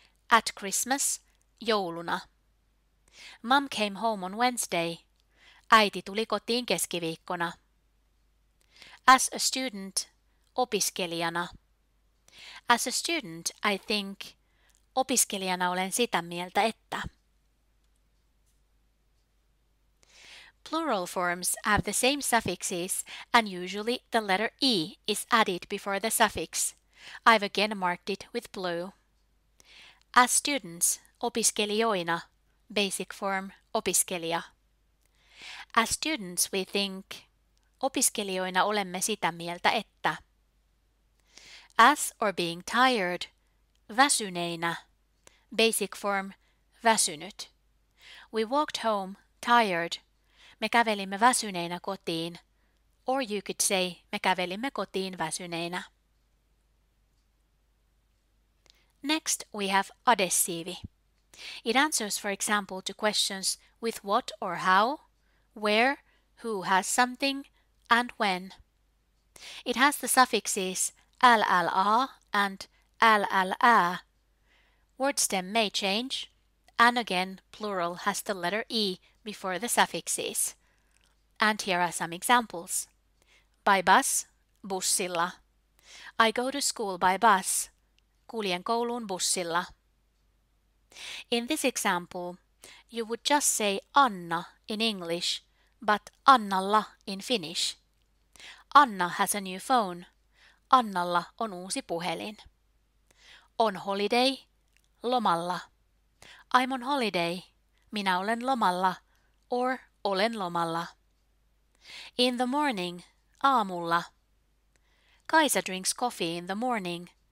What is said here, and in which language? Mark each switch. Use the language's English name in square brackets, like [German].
[English] At Christmas, [Finnish] jouluna. [English] Mum came home on Wednesday. [Finnish] Äiti tuli kotiin keskiviikkona. [English] As a student, [Finnish] opiskelijana. [English] As a student, I think. [Finnish] Opiskelijana olen sitä mieltä, että. [English] Plural forms have the same suffixes and usually the letter e is added before the suffix. I've again marked it with blue. As students, [Finnish] opiskelijoina, [English] basic form opiskelija. As students, we think. [Finnish] Opiskelijoina olemme sitä mieltä, että. [English] As or being tired, [Finnish] väsyneinä, [English] basic form [Finnish] väsynyt. [English] We walked home tired. [Finnish] Me kävelimme väsyneinä kotiin. [English] Or you could say, [Finnish] me kävelimme kotiin väsyneinä. [English] Next, we have adessiivi. It answers, for example, to questions with what or how, where, who has something, and when. It has the suffixes llä and llä. Word stem may change, and again, plural has the letter e before the suffixes. And here are some examples. By bus, [Finnish] bussilla. [English] I go to school by bus. Kuljen kouluun bussilla. In this example, you would just say Anna in English, but Annalla in Finnish. Anna has a new phone. [Finnish] Annalla on uusi puhelin. [English] On holiday, [Finnish] lomalla. [English] I'm on holiday. [Finnish] Minä olen lomalla, or olen lomalla. [English] In the morning, [Finnish] aamulla. [English] Kaisa drinks coffee in the morning.